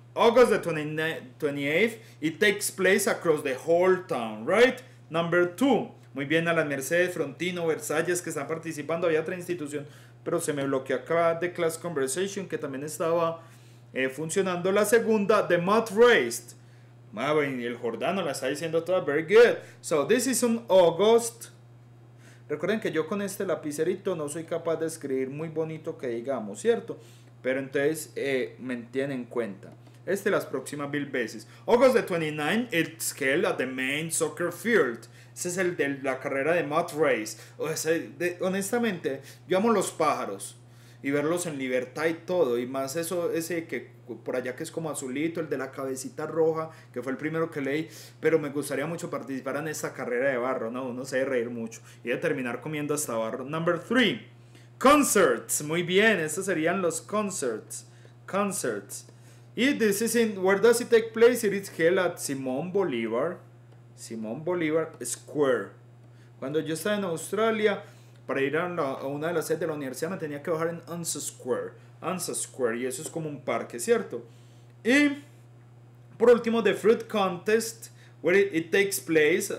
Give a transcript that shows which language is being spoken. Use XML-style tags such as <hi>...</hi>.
<en>August the 28th, it takes place across the whole town, right? Number two.</en> <es>Muy bien, a las Mercedes, Frontino, Versalles, que están participando. Había otra institución, pero se me bloqueó acá, The Class Conversation, que también estaba funcionando. La segunda, The Mud Race. Maven, y el Jordano la está diciendo toda.</es> <en>Very good. So, this is on August.</en> <es>Recuerden que yo con este lapicerito no soy capaz de escribir muy bonito que digamos, ¿cierto? Pero entonces me tienen en cuenta. Este las próximas mil veces.</es> <en>August the 29, it's held at the main soccer field.</en> <es>Ese es el de la carrera de Mud Race. O sea, honestamente, yo amo los pájaros y verlos en libertad y todo. Y más eso, ese que por allá que es como azulito, el de la cabecita roja, que fue el primero que leí. Pero me gustaría mucho participar en esta carrera de barro, ¿no? Uno se debe reír mucho y de terminar comiendo hasta barro.</es> <en>Number 3.</en> <es>Concerts. Muy bien, estos serían los concerts. Concerts.</es> <en>Y this is in, where does it take place? It is held at Simón Bolívar. Simón Bolívar Square.</en> <es>Cuando yo estaba en Australia, para ir a una de las sedes de la universidad me tenía que bajar en Anza Square. Anza Square, y eso es como un parque, ¿cierto? Y por último, The Fruit Contest,</es> <en>where it takes place.</en>